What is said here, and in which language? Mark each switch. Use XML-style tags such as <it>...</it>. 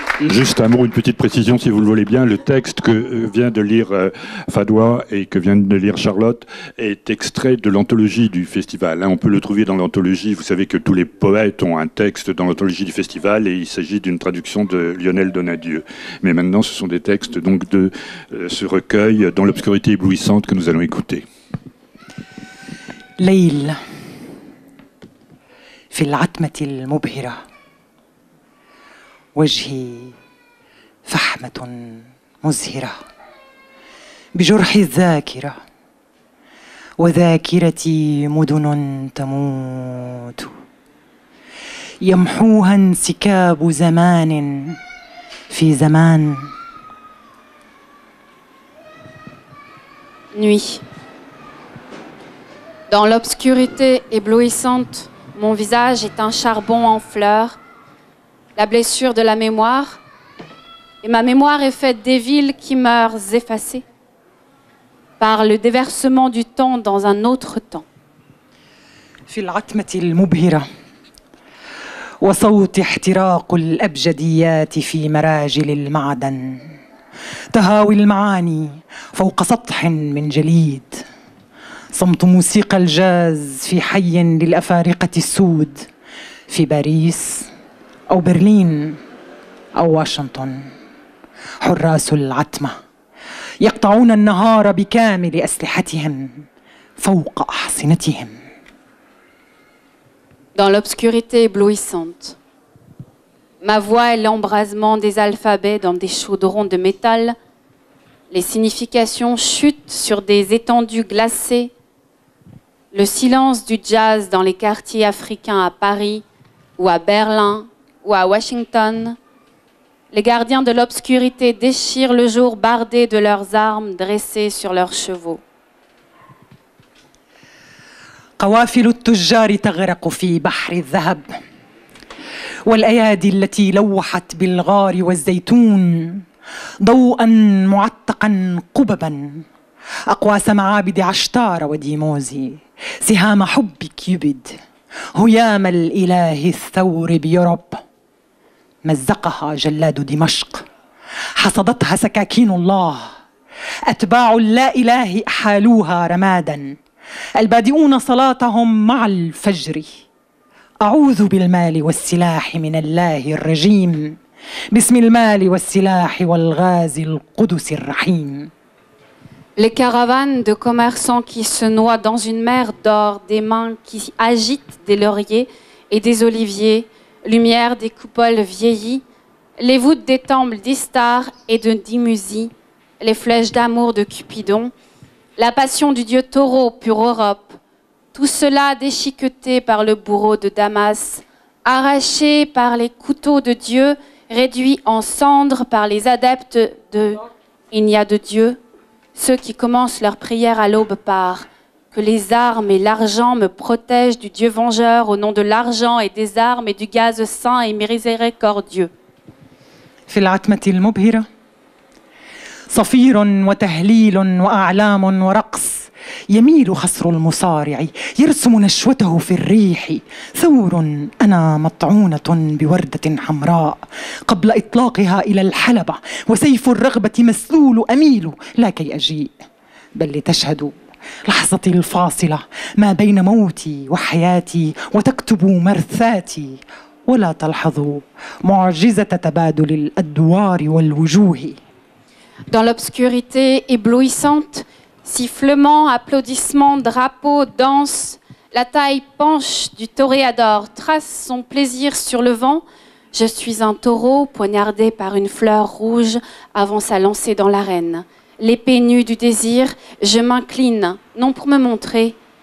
<fr>Juste un mot, une petite précision, si vous le voulez bien. Le texte que vient de lire Fadoua et que vient de lire Charlotte est extrait de l'anthologie du festival. On peut le trouver dans l'anthologie. Vous savez que tous les poètes ont un texte dans l'anthologie du festival et il s'agit d'une traduction de Lionel Donadieu. Mais maintenant, ce sont des textes donc de ce recueil dans l'obscurité éblouissante que nous allons écouter.</fr> <ar>Leïl. في العتمة المبهرة وجهي فحمة مزهرة بجرح الذاكرة وذاكرتي مدن تموت يمحوها انسكاب زمان في زمان</ar> <fr>Nuit. Dans l'obscurité éblouissante, mon visage est un charbon en fleurs, la blessure de la mémoire, et ma mémoire est faite des villes qui meurent effacées par le déversement du temps dans un autre temps.</fr> <ar>في العتمة المبهرة وصوت احتراق الأبجديات في مراجل المعدن تهاوي المعاني فوق سطح من جليد صمت موسيقى الجاز في حي للأفارقة السود في باريس أو برلين أو واشنطن حراس العتمة يقطعون النهار بكامل أسلحتهم فوق أحصنتهم</ar> <fr>Dans l'obscurité éblouissante, ma voix est l'embrasement des alphabets dans des chaudrons de métal. Les significations chutent sur des étendues glacées. Le silence du jazz dans les quartiers africains à Paris ou à Berlin ou à Washington. Les gardiens de l'obscurité déchirent le jour bardé de leurs armes dressées sur leurs chevaux.</fr> <ar>قوافل التجار تغرق في بحر الذهب والأيادي التي لوحت بالغار والزيتون ضوءا معتقا قببا أقواس معابد عشتار وديموزي سهام حب كيوبيد هيام الإله الثور بيوروب مزقها جلاد دمشق حصدتها سكاكين الله أتباع لا إله أحالوها رمادا البادئون صلاتهم مع الفجر أعوذ بالمال والسلاح من الله الرجيم باسم المال والسلاح والغاز القدس الرحيم</ar> <fr>Les caravanes de commerçants qui se noient dans une mer d'or, des mains qui agitent des lauriers et des oliviers, lumière des coupoles vieillies, les voûtes des temples d'Istar et de Dimusie, les flèches d'amour de Cupidon, la passion du dieu taureau pour Europe, tout cela déchiqueté par le bourreau de Damas, arraché par les couteaux de Dieu, réduit en cendres par les adeptes de « Il n'y a de Dieu ». Ceux qui commencent leur prière à l'aube par « Que les armes et l'argent me protègent du Dieu vengeur au nom de l'argent et des armes et du gaz saint et miséricordieux. »</fr> <ar>في العتمة المبهرة صفير وتهليل وأعلام ورقص يميل خصر المصارع يرسم نشوته في الريح ثور أنا مطعونة بوردة حمراء قبل إطلاقها إلى الحلبة وسيف الرغبة مسلول أميل لا كي أجيء بل لتشهدوا لحظتي الفاصلة ما بين موتي وحياتي وتكتبوا مرثاتي ولا تلحظوا معجزة تبادل الأدوار والوجوه</ar> <fr>Dans l'obscurité éblouissante, sifflements, applaudissements, drapeaux, danse, la taille penche du toréador trace son plaisir sur le vent. Je suis un taureau poignardé par une fleur rouge avant sa lancée dans l'arène. L'épée nue du désir, je m'incline, non pour me montrer,</fr>